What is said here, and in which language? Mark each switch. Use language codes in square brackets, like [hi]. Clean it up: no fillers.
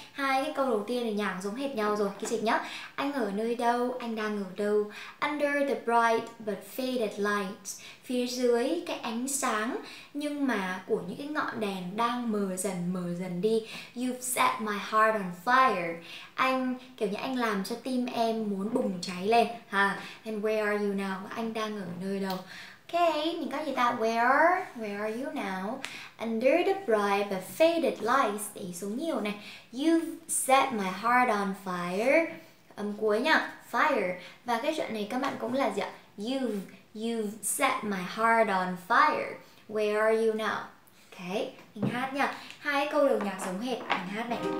[vi] Hai cái câu đầu tiên thì nhàng giống hệt nhau rồi. Cái dịch nhá. Anh ở nơi đâu? Anh đang ở đâu? [en] Under the bright but faded light. [vi] Phía dưới cái ánh sáng nhưng mà của những cái ngọn đèn đang mờ dần đi. [en] You've set my heart on fire. [vi] Anh kiểu như anh làm cho tim em muốn bùng cháy lên ha. [en] And where are you now? [vi] Anh đang ở nơi đâu? Okay, mình có gì ta? [en] Where are you now? Under the bright but faded lights. [vi] Để số nhiều này. [en] You've set my heart on fire. [vi] Âm cuối nhá, fire. Và cái chuyện này các bạn cũng là gì ạ? [en] You've set my heart on fire. Where are you now? Okay, [vi] mình hát nhá. Hai câu đều nhạc giống hệt, mình hát này.